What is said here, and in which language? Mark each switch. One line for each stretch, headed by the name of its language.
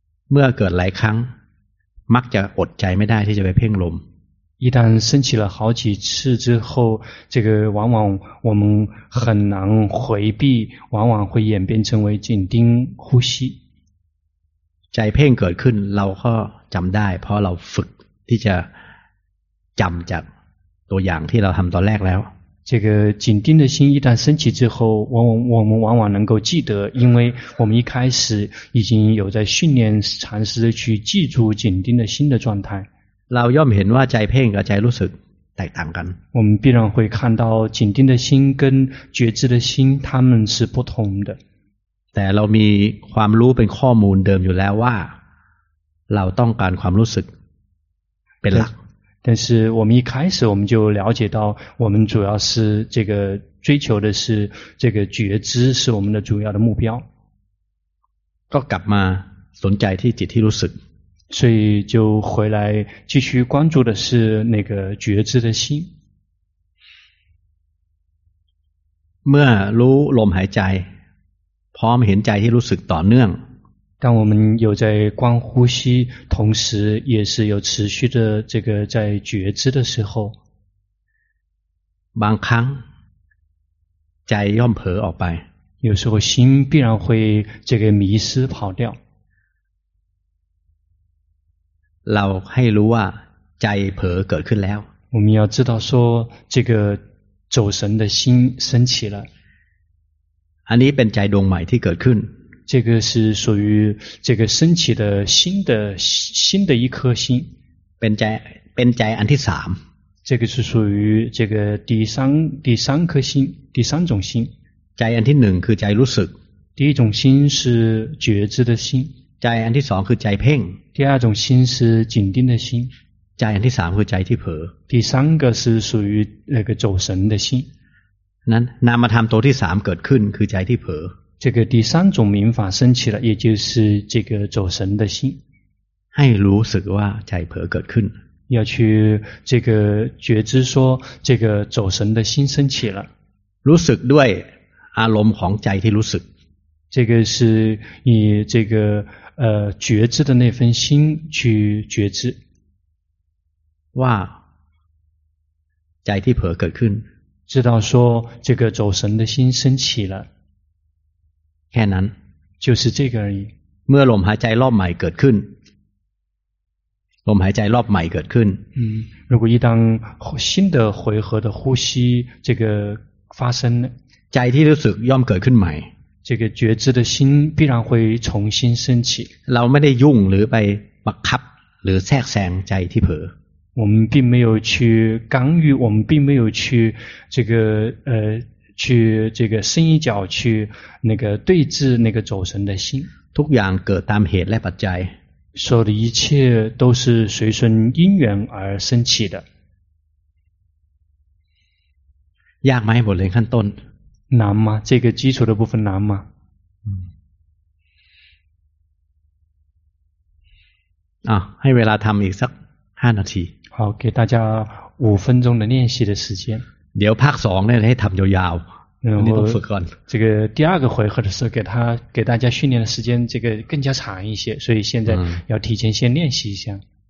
Thai: เมื่อเกิดหลายครั้งมักจะอดใจไม่ได้ที่จะไปเพ่งลม
Chinese: 一旦升起了好几次之后这个往往我们很难回避往往会演变成为紧盯呼吸
Thai: ใจเพ่งเกิดขึ้นเราก็จำได้เพราะเราฝึกที่จะจำจากตัวอย่างที่เราทำตอนแรกแล้ว
Chinese: 这个紧盯的心一旦升起之后我们往往能够记得因为我们一开始已经有在训练尝试去记住紧盯的心的状态
Thai: เราย่อมเห็นว่าใจเพ่งกับใจรู้สึกแตกต่างกัน
Chinese: 我们必然会看到紧盯的心跟觉知的心它们是不同的
Thai: แต่เรามีความรู้เป็นข้อมูลเดิมอยู่แล้วว่าเราต้องการความรู้สึกเป็นหลัก
Chinese: 但是我们一开始我们就了解到我们主要是这个追求的是这个觉知是我们的主要的目标
Thai: ก็กลับมาสนใจที่จิตที่รู้สึก
Chinese: 所以就回来继续关注的是那个觉知的心
Thai: เมื่อรู้ลมหายใจพร้อมเห็นใจที่รู้สึกต่อเนื่อง
Chinese: 当我们有在观呼吸同时也是有持续的这个在觉知的时候
Thai: บางครั้งใจย่อมเผลอออกไป
Chinese: 有时候心必然会这个迷失跑掉
Thai: เราให้รู้ว่าใจเผลอเกิดขึ้นแล้ว
Chinese: 我们要知道说这个走神的心升起了
Thai: อันนี้เป็นใจดวงใหม่ที่เกิดขึ้น
Chinese: 这个是属于这个升起的新的一颗心
Thai: เป็นใจอันที่3
Chinese: 这个是属于这个第三颗心第三种心
Thai: ใจอันที่1คือใจรู้สึก
Chinese: 第一种心是觉知的心
Thai: ใจอันที่สองคือใจเพ่ง
Chinese: 第二种心是紧盯的心
Thai: ใจอันที่สามคือใจที่เผลอ
Chinese: 第三个是属于那个走神的心
Thai: นั้นนามธรรมตัวที่สามเกิดขึ้นคือใจที่เผลอ
Chinese: 这个第三种明法升起了也就是这个走神的心
Thai: ให้รู้สึกว่าใจเผลอเกิดขึ้น
Chinese: 要去这个觉知说这个走神的心升起了
Thai: รู้สึกด้วยอารมณ์ของใจที่รู้สึก
Chinese: 这个是以这个觉知的那份心去觉知
Thai: 哇ใจที่เผลอเกิดขึ้น
Chinese: 知道说这个走神的心升起了
Thai: แค่นั้น
Chinese: 就是这个而已
Thai: เมื่อลมหายใจรอบใหม่เกิดขึ้นลมหายใจรอบใหม่เกิดขึ้น
Chinese: 如果一旦新的回合的呼吸这个发生
Thai: ใจที่รู้สึกย่อมเกิดขึ้นใหม่
Chinese: 这个觉知的心必然会重新升起
Thai: เราไม่ได้ยุ่งหรือไปบังคับหรือแทรกแซงใจที่เผลอ
Chinese: 我们并没有去干预我们并没有去这个去这个伸一脚去那个对峙那个走神的心
Thai: ทุกอย่างเกิดตามเหตุและปัจจัย
Chinese: 所有的一切都是随顺因缘而升起的
Thai: ยากไหมบทเรียนขั้นต้น
Chinese: 难吗？这个基础的部分难吗？
Thai: ให้เวลาทำอีกสัก5นาที
Chinese: 好，给大家五分钟的练习的时间。
Thai: เดี๋ยวภาคสองเนี่ยให้ทำยาวๆ
Chinese: 然
Thai: 后ฝึกก่อน
Chinese: 这个第二个回合的时候给大家训练的时间这个更加长一些，所以现在要提前先练习一下。